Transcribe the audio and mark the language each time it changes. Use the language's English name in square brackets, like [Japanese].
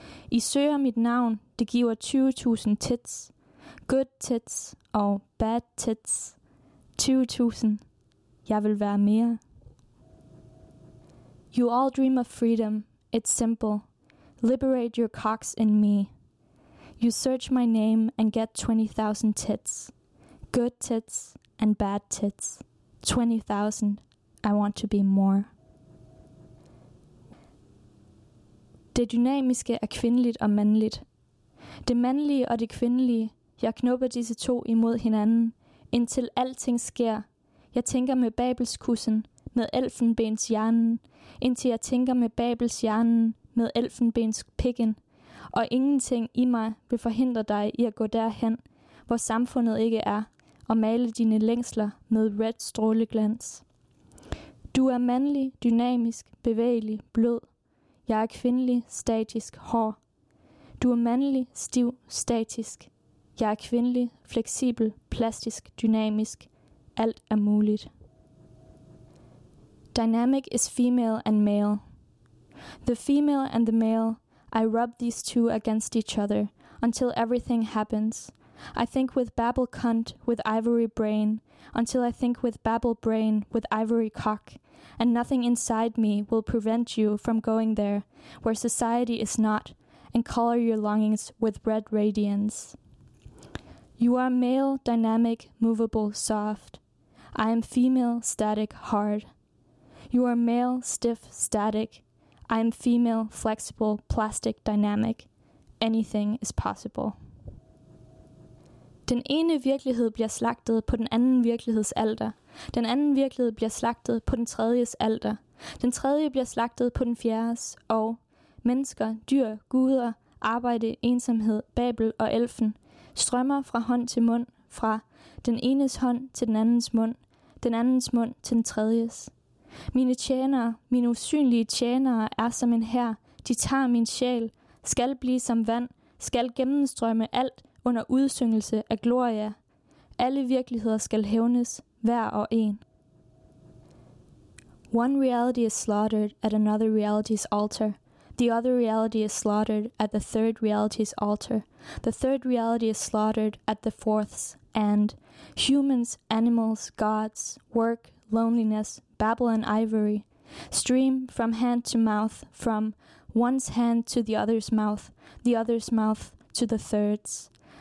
[Danish] I søger mit navn, det giver 20.000 tits, good tits og bad tits, 20.000, jeg vil være mere. [English] You all dream of freedom, it's simple, liberate your cocks in me. You search my name and get 20.000 tits, good tits and bad tits, 20.000, I want to be more. [Danish] Det dynamiske er kvindeligt og mandligt. Det mandlige og det kvindelige, jeg knupper disse to imod hinanden, indtil alting sker. Jeg tænker med babelskussen, med elfenbens hjernen, indtil jeg tænker med babels hjernen, med elfenbens pikken, og ingenting i mig vil forhindre dig i at gå derhen, hvor samfundet ikke er, og male dine længsler med red stråleglans. Du er mandlig, dynamisk, bevægelig, blød. Jeg er kvindelig, statisk, hård. Du er mandlig, stiv, statisk. Jeg er kvindelig, fleksibel, plastisk, dynamisk. Alt er muligt. [English] dynamic is female and male. The female and the male, I rub these two against each other until everything happens. I think with Babel cunt, with ivory brain, until I think with Babel brain, with ivory cock, and nothing inside me will prevent you from going there, where society is not, and color your longings with red radiance. You are male, dynamic, movable, soft. I am female, static, hard. You are male, stiff, static. I am female, flexible, plastic, dynamic. Anything is possible. [Danish] Den ene virkelighed bliver slagtet på den anden virkeligheds alter. Den anden virkelighed bliver slagtet på den tredjes alter. Den tredje bliver slagtet på den fjerdes, og mennesker, dyr, guder, arbejde, ensomhed, Babel og elfen strømmer fra hånd til mund, fra den enes hånd til den andens mund, den andens mund til den tredjes. Mine tjenere, mine usynlige tjenere, er som en hær. De tager min sjæl, skal blive som vand, skal gennemstrømme alt under udsyngelse af gloria. Alle virkeligheder skal hævnes, hver og en. [English] One reality is slaughtered at another reality's altar. The other reality is slaughtered at the third reality's altar. The third reality is slaughtered at the fourth's. And humans, animals, gods, work, loneliness, Babel and ivory stream from hand to mouth, from one's hand to the other's mouth to the third's.